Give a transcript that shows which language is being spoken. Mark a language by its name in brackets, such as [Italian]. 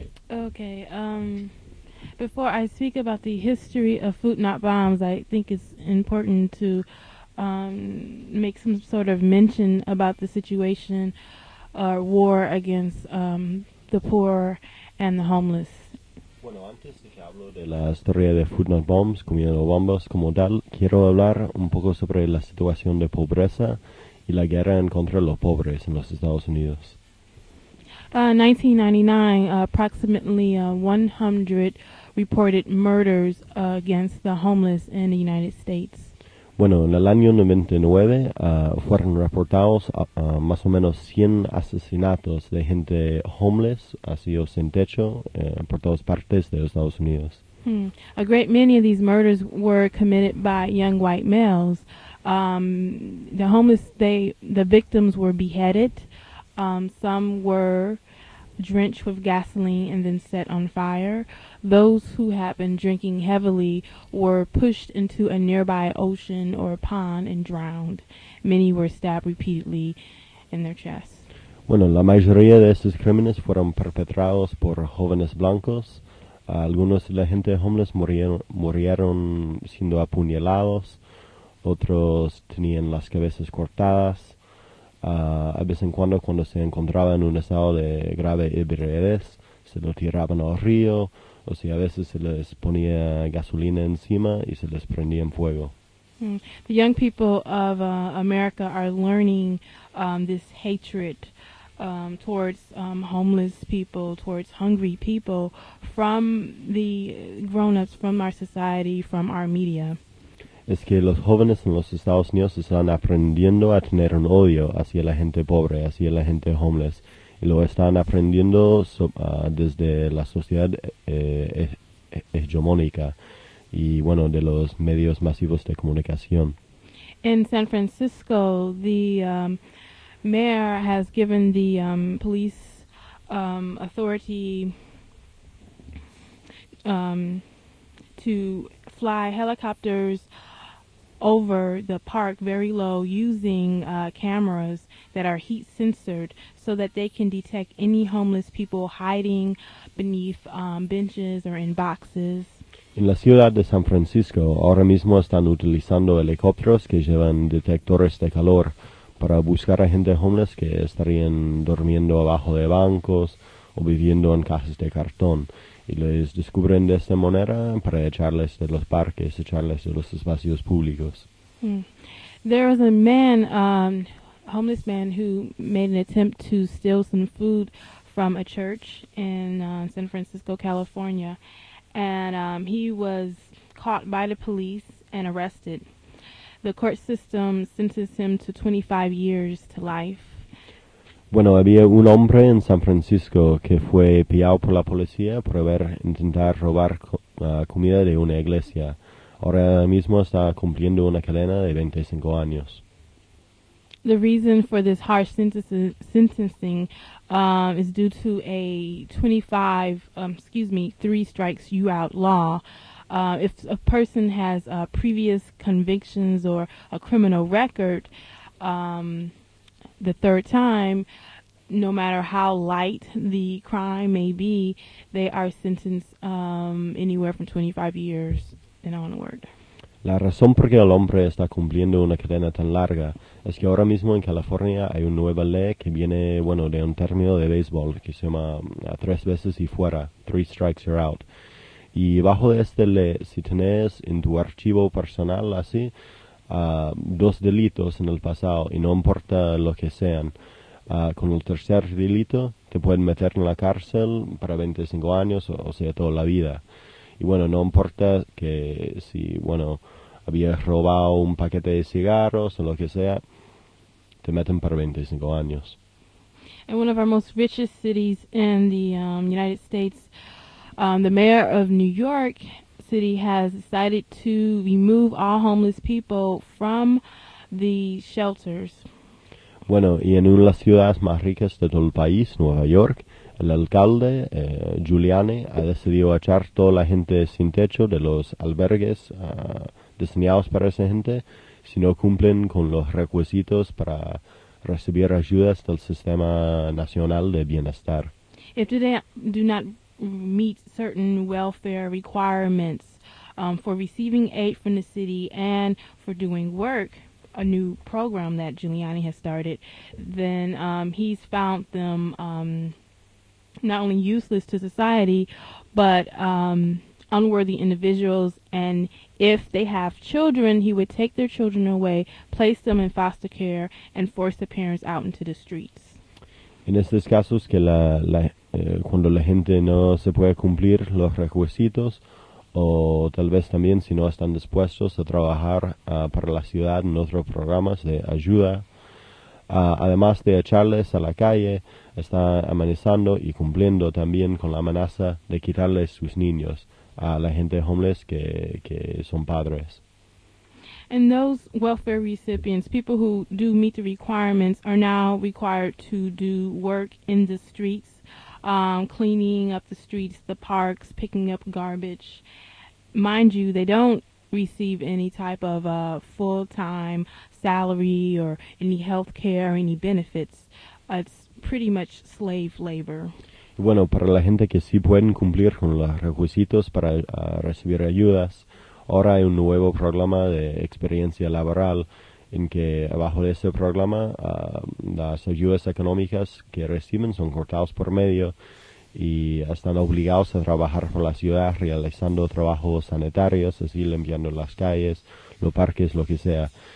[English] Okay, before I speak about the history of Food Not Bombs, I think it's important to make some sort of mention about the situation or war against the poor and the homeless. [Spanish] Bueno, antes de que hablo de la historia de Food Not Bombs, Comida No Bombas como tal, quiero hablar un poco sobre la situación de pobreza y la guerra en contra de los pobres en los Estados Unidos. [English] In 1999, approximately 100 reported murders against the homeless in the United States. [Spanish] Bueno, en el año 99 fueron reportados más o menos 100 asesinatos de gente homeless, así o sin techo, por todas partes de Estados Unidos. [English] A great many of these murders were committed by young white males. The homeless, the victims were beheaded. Some were drenched with gasoline and then set on fire. Those who had been drinking heavily were pushed into a nearby ocean or a pond and drowned. Many were stabbed repeatedly in their chest. [Spanish] Bueno, la mayoría de estos crímenes fueron perpetrados por jóvenes blancos. Algunos de la gente homeless murieron siendo apuñalados. Otros tenían las cabezas cortadas. A vez en cuando se encontraba en un estado de grave ebriedad, se lo tiraban al río, o si a veces se les ponía gasolina encima y se les prendía en fuego. [English] The young people of America are learning this hatred towards homeless people, towards hungry people, from the grown-ups, from our society, from our media. [Spanish] Es que los jóvenes en los Estados Unidos están aprendiendo a tener un odio hacia la gente pobre, hacia la gente homeless. Y lo están aprendiendo desde la sociedad hegemónica y, bueno, de los medios masivos de comunicación. [English] In San Francisco, the mayor has given the police authority to fly helicopters over the park very low using cameras that are heat sensored so that they can detect any homeless people hiding beneath benches or in boxes. [Spanish] En la ciudad de San Francisco ahora mismo están utilizando helicópteros que llevan detectores de calor para buscar a gente homeless que estarían durmiendo abajo de bancos o viviendo en cajas de cartón. Y les descubren de esta manera para echarles de los parques, echarles de los espacios públicos. [English] There was a man, homeless man, who made an attempt to steal some food from a church in San Francisco, California. And he was caught by the police and arrested. The court system sentenced him to 25 years to life. [Spanish] Bueno, había un hombre en San Francisco que fue pillado por la policía por haber intentado robar comida de una iglesia. Ahora mismo está cumpliendo una cadena de 25 años. [English] The reason for this harsh sentencing is due to a 3 strikes you out law. If a person has previous convictions or a criminal record, the third time, no matter how light the crime may be, they are sentenced anywhere from 25 years and onward. [Spanish] La razón por que el hombre está cumpliendo una cadena tan larga es que ahora mismo en California hay una nueva ley que viene, bueno, de un término de béisbol que se llama tres veces y fuera, [English] 3 strikes you're out. [Spanish] Y bajo de esta ley, si tenés en tu archivo personal así, 2 delitos en el pasado, y no importa lo que sean, con el tercer delito te pueden meter en la cárcel para 25 años, o sea, toda la vida. Y bueno, no importa que si, bueno, habías robado un paquete de cigarros o lo que sea, te meten para 25 años. [English] In one of our most richest cities in the United States, the mayor of New York City has decided to remove all homeless people from the shelters. [Spanish] Bueno, y en una de las ciudades más ricas de todo el país, Nueva York, el alcalde Giuliani ha decidido echar toda la gente sin techo de los albergues diseñados para esa gente si no cumplen con los requisitos para recibir ayudas del Sistema Nacional de Bienestar. [English] If they do not meet certain welfare requirements for receiving aid from the city and for doing work, a new program that Giuliani has started, then he's found them not only useless to society, but unworthy individuals. And if they have children, he would take their children away, place them in foster care, and force the parents out into the streets. [Spanish] En estos casos que cuando la gente no se puede cumplir los requisitos, o tal vez también si no están dispuestos a trabajar para la ciudad en otros programas de ayuda, además de echarles a la calle, está amenazando y cumpliendo también con la amenaza de quitarles sus niños a la gente homeless que son padres. [English] And those welfare recipients, people who do meet the requirements, are now required to do work in the streets, cleaning up the streets, the parks, picking up garbage. Mind you, they don't receive any type of full-time salary or any health care or any benefits. It's pretty much slave labor. [Spanish] Bueno, para la gente que sí pueden cumplir con los requisitos para recibir ayudas, ahora hay un nuevo programa de experiencia laboral en que, bajo de ese programa, las ayudas económicas que reciben son cortadas por medio y están obligados a trabajar por la ciudad realizando trabajos sanitarios, así limpiando las calles, los parques, lo que sea.